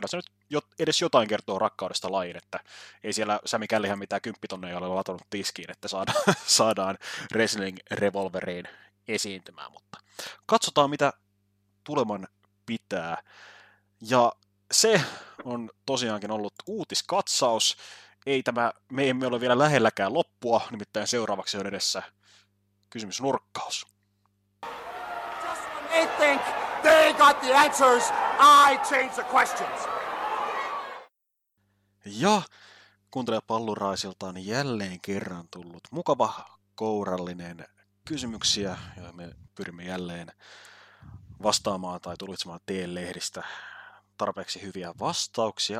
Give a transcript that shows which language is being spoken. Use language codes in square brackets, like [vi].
[fi] Kyllä se nyt edes jotain kertoo rakkaudesta lajiin, että ei siellä Sami Källihän mitään 10 000 ole latonut tiskiin, että saadaan Wrestling Revolveriin esiintymään, mutta katsotaan mitä tuleman pitää. Ja se on tosiaankin ollut uutiskatsaus. Ei tämä, me emme ole vielä lähelläkään loppua, nimittäin seuraavaksi on edessä kysymysnurkkaus. [en] I think they got the answers I change the questions. [fi] Ja kuuntelija palluraisilta on jälleen kerran tullut mukava kourallinen kysymyksiä, joihin me pyrimme jälleen vastaamaan tai tulitsemaan TN-lehdistä tarpeeksi hyviä vastauksia.